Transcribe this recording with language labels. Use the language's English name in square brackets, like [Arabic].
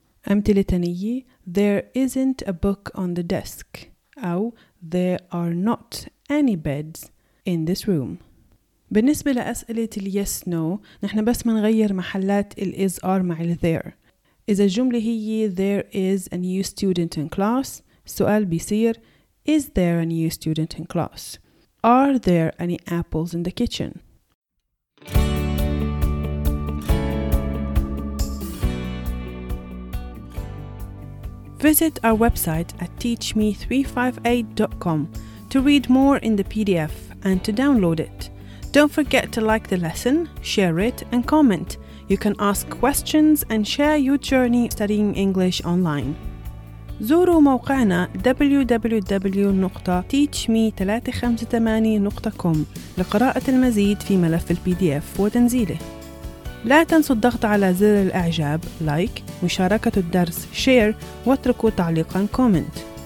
[Arabic] أمثلة تانية, [English] there isn't a book on the desk, [Arabic] أو [English] there are not any beds in this room. [Arabic] بالنسبة لأسئلة ال yes no, نحن بس منغير محلات ال is are مع ال there. إذا الجملة هي [English] there is a new student in class, [Arabic] سؤال بيصير [English] is there a new student in class? Are there any apples in the kitchen? Visit our website at teachme358.com to read more in the PDF and to download it. Don't forget to like the lesson, share it and comment. You can ask questions and share your journey studying English online. [Arabic] زوروا موقعنا www.teachme358.com لقراءة المزيد في ملف الـ PDF وتنزيله. لا تنسوا الضغط على زر الإعجاب like, مشاركة الدرس share واتركوا تعليقا comment.